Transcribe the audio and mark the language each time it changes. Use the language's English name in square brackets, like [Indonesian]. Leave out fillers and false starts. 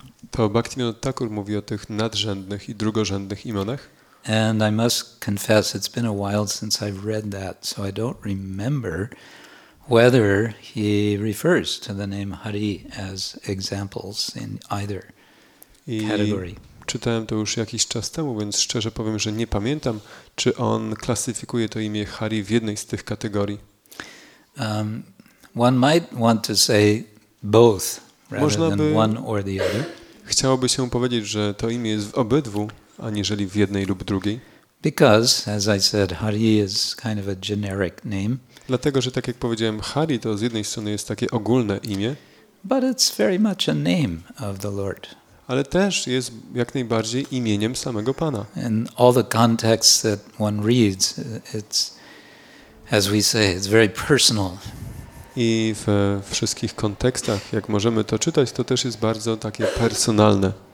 [Polish] To Bhaktivinoda Thakur mówi o tych nadrzędnych i drugorzędnych imionach. [English] And I must confess, it's been a while since I've read that, so I don't remember whether he refers to the name Hari as examples in either category. [Polish] Czytałem to już jakiś czas temu, więc szczerze powiem, że nie pamiętam, czy on klasyfikuje to imię Hari w jednej z tych kategorii. [English] One might want to say both rather than one or the other. [Polish] Chciałoby się powiedzieć, że to imię jest w obydwu, aniżeli w jednej lub drugiej. [English] Because, as I said, Hari is kind of a generic name. [Polish] Dlatego, że tak jak powiedziałem, Hari to z jednej strony jest takie ogólne imię. [English] But it's very much a name of the Lord. [Polish] Ale też jest jak najbardziej imieniem samego Pana. [English] In all the contexts that one reads, it's, as we say, it's very personal. [Polish] I w wszystkich kontekstach, jak możemy to czytać, to też jest bardzo takie personalne.